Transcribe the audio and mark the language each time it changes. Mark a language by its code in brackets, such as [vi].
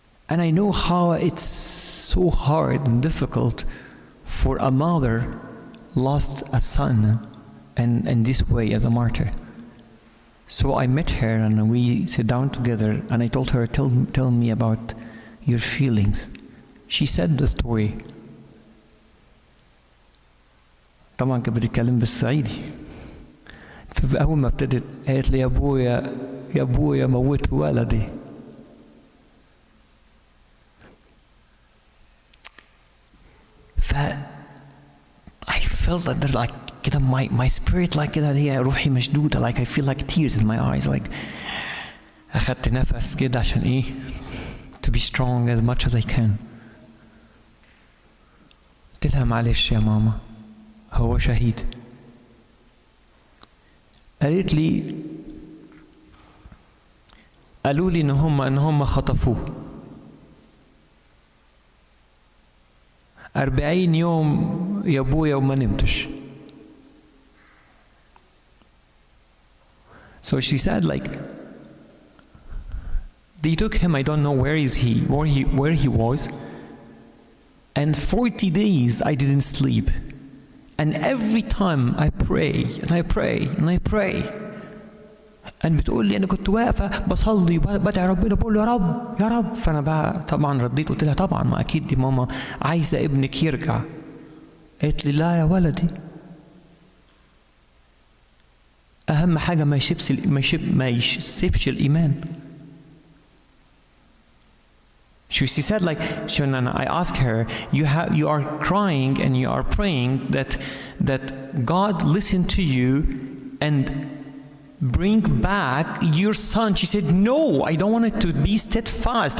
[en] And I know how it's so hard and difficult for a mother lost a son and in this way as a martyr. So I met her and we sat down together and I told her, tell me about your feelings. She said the story. [ar] طبعاً كنت بتكلم بالصعيدي. فأول ما ابتدت قالت لي يا أبويا موت ولدي. [en] ف I felt that there's like كده my spirit like كده [ar] هي روحي مشدودة, [en] like I feel like tears in my eyes, like [ar] أخذت نفس كده عشان إيه [en] to be strong as much as I can. [ar] قلت لها معلش يا ماما هو شهيد. قالت لي قالوا لي ان هم خطفوه 40 يوم يا ابويا وما نمتش. [en] So she said like they took him, I don't know where he was, and 40 days I didn't sleep. And every time I pray and I pray and I pray, and [ar] بتقول لي أنا كنت واقفة بصلي وبدعي ربنا بقول له يا رب. فأنا بقى طبعا رديت قلت لها طبعا ما أكيد دي ماما عايزة ابنك يرجع. قالت لي لا يا ولدي, أهم حاجة ما يسيبش الإيمان. [en] She said, like, Shonana, I ask her, you are crying and you are praying that God listen to you and bring back your son. She said, no, I don't want it to be steadfast.